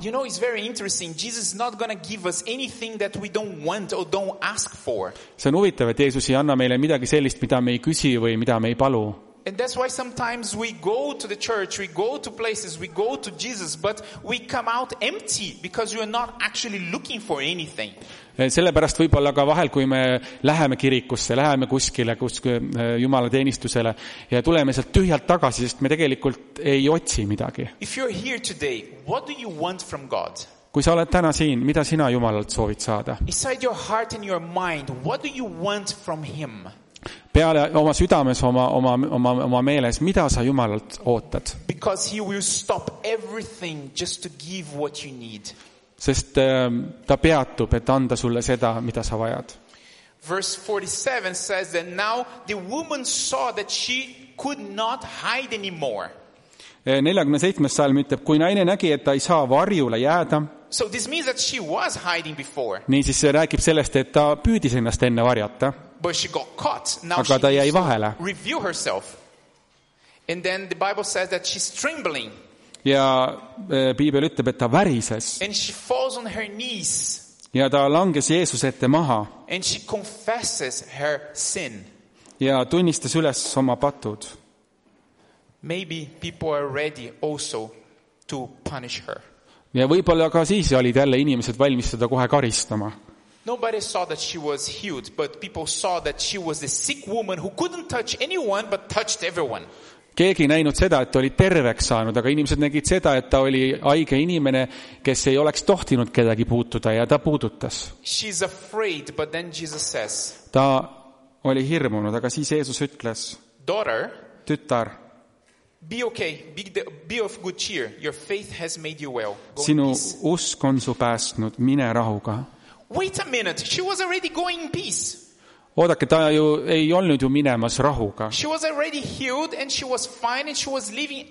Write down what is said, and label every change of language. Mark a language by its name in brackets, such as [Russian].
[English] You know, it's very interesting. Jesus is not gonna give us anything that we don't want or don't ask for. [Estonian] See on huvitav, et Jeesus ei anna meile midagi sellist, mida me ei küsi või mida me ei palu. [English] And that's why sometimes we go to the church, we go to places, we go to Jesus, but we come out empty because you are not actually looking for anything. [Estonian] Sellepärast võib-olla ka vahel, kui me läheme kirikusse, läheme kuskile, Jumala teenistusele ja tuleme sealt tühjalt tagasi, sest me tegelikult ei otsi midagi. [English] If you're here today, what do you want from God? [Estonian] Kui sa oled täna siin, mida sina Jumalalt soovid saada? [English] Inside your heart and your mind, what do you want from him? [Estonian] Peale oma südames, oma meeles, mida sa Jumalalt ootad? [English] Because he will stop everything just to give what you need. [Estonian] Sest ta peatub, et anda sulle seda, mida sa vajad. [English] Verse 47 says that now the woman saw that she could not hide anymore. [Estonian] 47. Salm ütleb, kui naine nägi, et ta ei saa varjule jääda, [English] so this means that she was hiding before. [Estonian] Nii siis see räägib sellest, et ta püüdis ennast enne varjata. [English] But she got caught. Now [Estonian] aga ta jäi vahele. [English] Review herself. And then the Bible says that she's trembling. [Estonian] Ja Piibel ütleb, et ta värises. [English] And she falls on her knees. [Estonian] Ja ta langes Jeesus ette maha. [English] And she confesses her sin. [Estonian] Ja tunnistas üles oma patud. [English] Maybe people are ready also to punish her. [Estonian] Ja võibolla ka siis olid jälle inimesed valmis seda kohe karistama. [English] Nobody saw that she was healed, but people saw that she was the sick woman who couldn't touch anyone but touched everyone. [Estonian] Keegi näinud seda, et oli terveks saanud, aga inimesed nägid seda, et ta oli haige inimene, kes ei oleks tohtinud kedagi puutuda ja ta puudutas. [English] She's afraid, but then Jesus says. [Estonian] Ta oli hirmunud, aga siis Jeesus ütles. [English] Daughter, [Estonian] tütar. [English] Be okay, be of good cheer. Your faith has made you well. Go [Estonian] sinu usk on su päästnud, mine rahuga. [English] Wait a minute, she was already going in peace. [Estonian] Oodake, ta ju ei olnud ju minemas rahuga. [English] She was already healed and she was fine and she was leaving.